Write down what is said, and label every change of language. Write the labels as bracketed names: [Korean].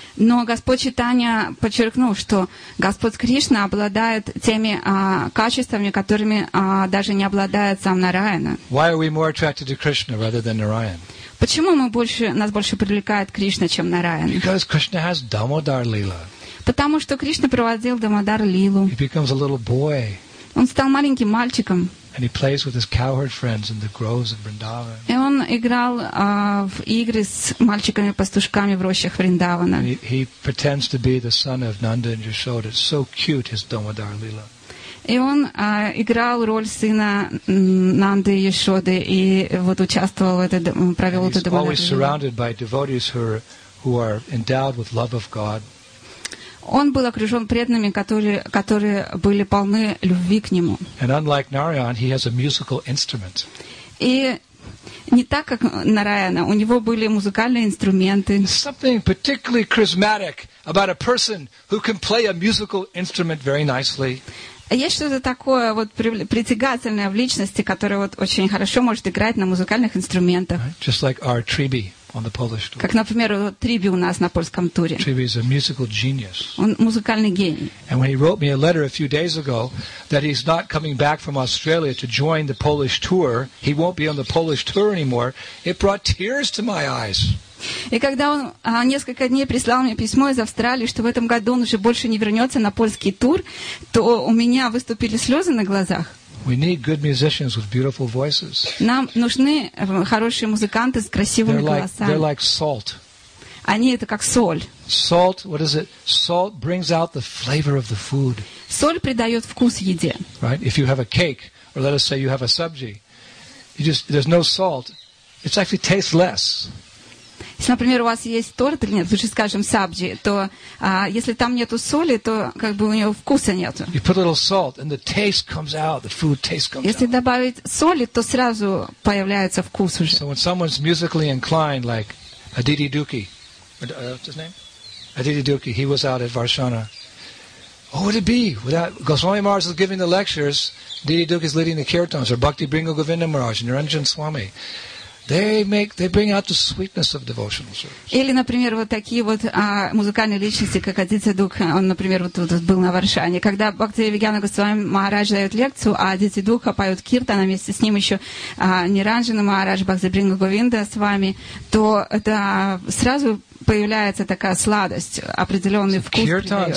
[Russian] Но Господь Чайтанья подчеркнул, что Господь Кришна обладает теми качествами, которыми даже не обладает сам Нараяна. [English] Why are we more attracted to Krishna rather than Narayan? [Russian] Почему нас больше привлекает Кришна, чем Нараяна? [English] Because Krishna has Damodar Lila. [Russian] Потому что Кришна проводил Дамодар Лилу. [English] He becomes a little boy. [Russian] Он стал маленьким мальчиком. [English] And he plays with his cowherd friends in the groves of Vrindavan. [Russian] И он играл в игры с мальчиками-пастушками в рощах Вриндавана. [English] He pretends to be the son of Nanda and Yashoda. It's so cute, his Damodar Lila. [Russian] И он играл роль сына Нанды и Яшоды и вот участвовал в этой провел эту Дамодар Лилу. [English] He's always surrounded by devotees who are endowed with love of God. [Russian] Он был окружен преданными, которые были полны любви к нему. [English] And unlike Narayan, he has a musical instrument. [Russian] И не так, как Нараяна, у него были музыкальные инструменты. [English] Something particularly charismatic about a person who can play a musical instrument very nicely. [Russian] Есть что-то такое вот притягательное в личности, которая вот очень хорошо может играть на музыкальных инструментах. [English] Right? Just like our Tribi. On the Polish tour. [Russian] Как, например, Трибі у нас на [Ukrainian] польському турі. [English] Trivi is a musical genius. [Ukrainian] Он музикальний геній. [English] And when he wrote me a letter a few days ago that he's not coming back from Australia to join the Polish tour, he won't be on the Polish tour anymore, it brought tears to my eyes. [Russian] І когда он несколько дней прислал мне письмо из Австралии, что в этом году он уже больше не вернется на польский тур, то у меня выступили сльози на глазах. [English] We need good musicians with beautiful voices. [Russian] Нам нужны хорошие музыканты с красивыми голосами. [English] They're like salt. [Russian] Они это как соль. [English] Salt, what is it? Salt brings out the flavor of the food. [Russian] Соль придает вкус еде. [English] Right? If you have a cake, or let us say you have a sabji, there's no salt, it actually tastes less. [Russian] Если, например, у вас есть торт или нет, лучше скажем сабджи, то если там нету соли, то как бы у него вкуса нету. [English] You put a little salt and the taste comes out, the food taste comes out. [Russian] Если добавить соли, то сразу появляется вкус уже. [English] So when someone's musically inclined, like Aditi Dukhi, what's his name? Aditi Dukhi, he was out at Varshana. What would it be? Without Goswami Maharaj is giving the lectures, Aditi Dukhi is leading the kirtans, or Bhakti Bringo Govinda Maharaj, Niranjan Swami. They bring out the sweetness of devotional service. [Russian] Или, например, вот такие вот музыкальные личности, как Адитья Дукха, он, например, вот тут был на Варшане. Когда Бхактивинода Вигьяна Госвами Махарадж дает лекцию, а Адитья Дукха поет киртан, а вместе с ним еще Ниранджана Махарадж, Бхакти Бринга Говинда с вами, то это сразу появляется такая сладость, определенный вкус придается.